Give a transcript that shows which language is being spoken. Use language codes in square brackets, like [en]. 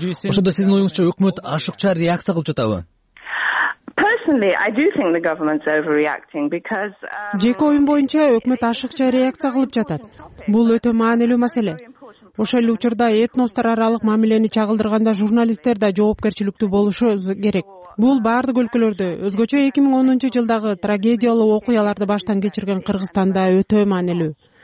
[ky] Ошондо сиздин оюңузча өкмөт ашыкча реакция кылып жатабы? [en] Personally, I do think the government's overreacting because [ky] жеке оюм боюнча өкмөт ашыкча реакция кылып жатат. Бул өтө маанилүү маселе. Ошол эле учурда этностор аралык мамилени чагылдырганда журналисттер да жоопкерчиликтүү болушу керек. Бул баардык өлкөлөрдө, өзгөчө 2010-жылдагы трагедиялуу окуяларды баштан кечирген Кыргызстанда өтө маанилүү.